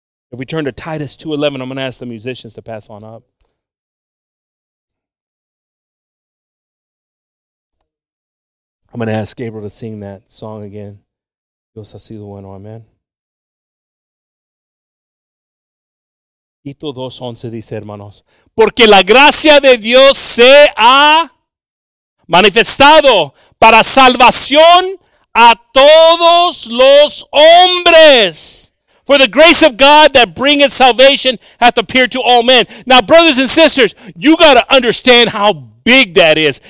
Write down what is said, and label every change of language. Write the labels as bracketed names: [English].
[English] If we turn to Titus 2:11, I'm going to ask the musicians to pass on up. I'm going to ask Gabriel to sing that song again. [Spanish] Dios ha sido bueno, amen. Tito 2:11 dice, hermanos, porque la gracia de Dios se ha manifestado para salvación a todos los hombres. [English] For the grace of God that bringeth salvation hath appeared to all men. Now, brothers and sisters, you got to understand how big that is.